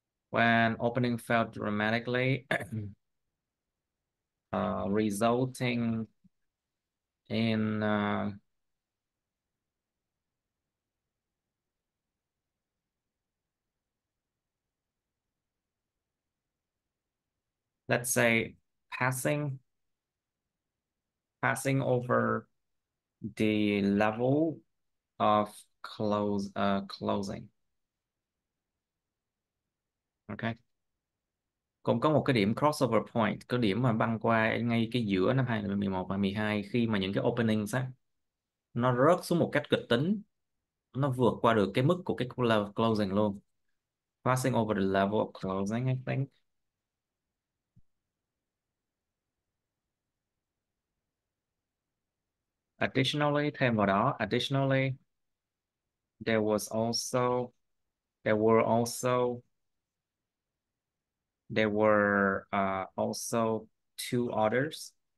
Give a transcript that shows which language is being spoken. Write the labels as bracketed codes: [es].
[en] When opening felt dramatically, resulting in let's say passing over the level of closing. Okay. [vi] Cũng có một cái điểm crossover point, cái điểm mà băng qua ngay cái giữa năm 2011 và 12, khi mà những cái openings á nó rớt xuống một cách kịch tính, nó vượt qua được cái mức của cái level closing luôn. [en] Passing over the level of closing, I think. Additionally, [vi] thêm vào đó, [en] additionally, there were also two others.